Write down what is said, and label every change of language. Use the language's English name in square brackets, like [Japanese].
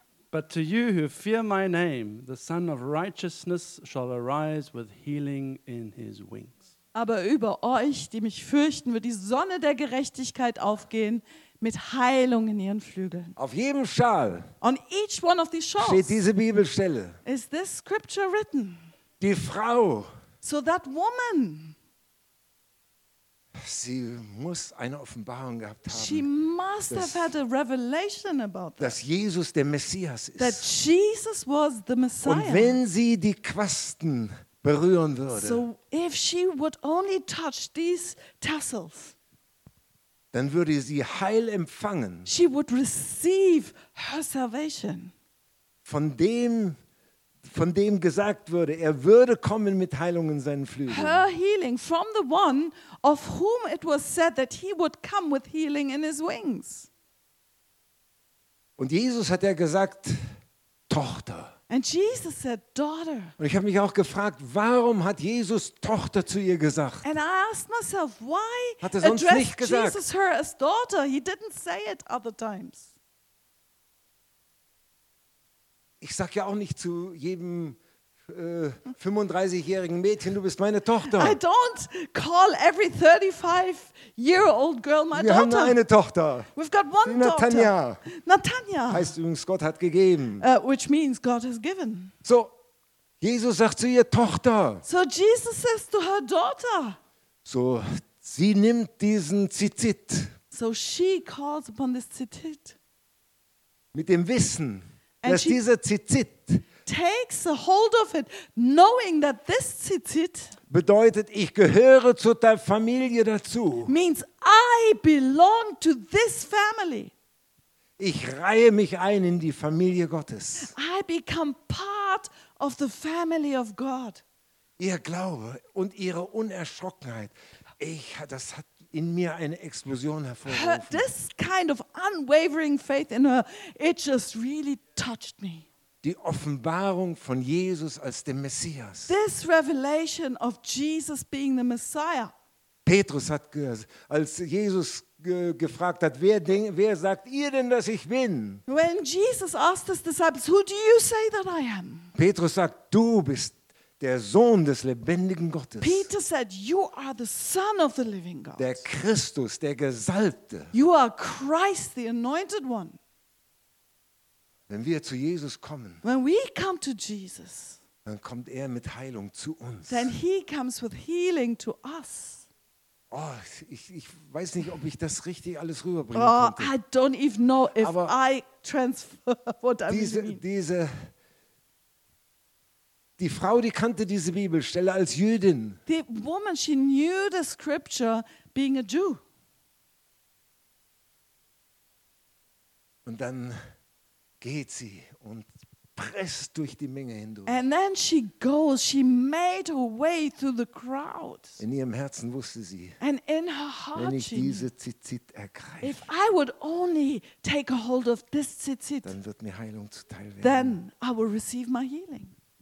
[English] But to you who fear my name, the Son of Righteousness shall arise with healing in his wings. [German] Aber über euch, die mich fürchten, wird die Sonne der Gerechtigkeit aufgehen. Mit Heilung in ihren Flügeln. Auf jedem Schal. [English] On each one of these shawls. [German] Steht diese Bibelstelle. [English] Is this scripture written? [German] Die Frau. [English] So that woman. [German] Sie muss eine Offenbarung gehabt haben. [English] She must have had a revelation about that. [German] Dass Jesus der Messias ist. [English] That Jesus was the Messiah. [German] Und wenn sie die Quasten berühren würde. [English] So if she would only touch these tassels. [German] Dann würde sie Heil empfangen. [English] She would receive her salvation. [German] Von dem gesagt würde, er würde kommen mit Heilung in seinen Flügeln. [English] Her healing from the one of whom it was said that he would come with healing in his wings. [German] Und Jesus hat ja gesagt, Tochter. [English] And Jesus said, daughter. [German] Und ich habe mich auch gefragt, warum hat Jesus Tochter zu ihr gesagt? [English] And I asked myself, why [German] hat er sonst nicht gesagt? [English] Jesus her as daughter? He didn't say it other times. [German] Ich sage ja auch nicht zu jedem 35-jährigen Mädchen, du bist meine Tochter. [English] I don't call every 35-year-old girl my daughter. [German] Wir haben nur eine Tochter. [English] We've got one daughter. [German] Natanja. [English] Natanja. [German] Heißt übrigens, Gott hat gegeben. [English] Which means God has given. [German] So, Jesus sagt zu ihr, Tochter. [English] So Jesus says to her daughter. [German] So, sie nimmt diesen Zitit. [English] So she calls upon this Zitit. [German] Mit dem Wissen. And dass dieser Zitzit [English] takes a hold of it, knowing that this Zitzit [German] bedeutet, ich gehöre zu der Familie dazu. [English] Means I belong to this family. [German] Ich reihe mich ein in die Familie Gottes. [English] I become part of the family of God. [German] Ihr Glaube und ihre Unerschrockenheit, das hat in mir eine Explosion hervorgerufen. [English] Her, this kind of unwavering faith in her, it just really touched me. [German] Die Offenbarung von Jesus als dem Messias. [English] This revelation of Jesus being the Messiah. [German] Petrus hat gehört, als Jesus gefragt hat, wer sagt ihr denn, dass ich bin? [English] When Jesus asked his disciples, who do you say that I am? [German] Petrus sagt, du bist der Sohn des lebendigen Gottes. [English] Peter said, you are the son of the living God. [German] Der Christus, der Gesalbte. [English] You are Christ, the anointed one. [German] Wenn wir zu Jesus kommen, [English] when we come to Jesus, [German] dann kommt er mit Heilung zu uns. [English] Then he comes with healing to us. [German] Oh, ich weiß nicht, ob ich das richtig alles rüberbringen konnte. [English] I don't even know if aber I transfer what I mean. [German] Die Frau, die kannte diese Bibelstelle als Jüdin. [English] The woman, she knew the scripture being a Jew. [German] Und dann geht sie und presst durch die Menge hindurch. [English] And then she goes, she made her way through the crowd. [German] In ihrem Herzen wusste sie, [English] and in her heart, [German] wenn ich diese Zitzit ergreife, [English] if I would only take a hold of this Zitzit, [German] dann wird mir Heilung zuteil werden. [English] Then I will receive my healing.